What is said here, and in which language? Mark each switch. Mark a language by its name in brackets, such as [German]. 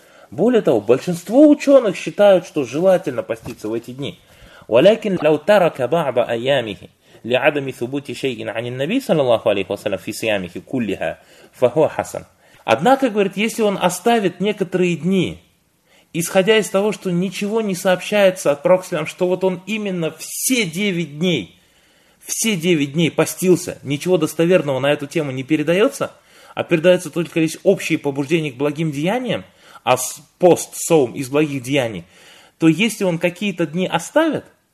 [Russian] Более того, большинство ученых считают, что желательно поститься в эти дни. [Arabic] ولكن لو ترك بعض أيامه لعدم ثبوت شيء عن النبي صلى الله عليه وسلم في صيامه كلها فهو حسن. [Russian] Однако, говорит, если он оставит некоторые дни, исходя из того, что ничего не сообщается от пророка, что вот он именно все девять дней постился, ничего достоверного на эту тему не передается, а передается только лишь общие побуждения к благим деяниям, а пост соум из благих деяний, то если он какие-то дни оставит,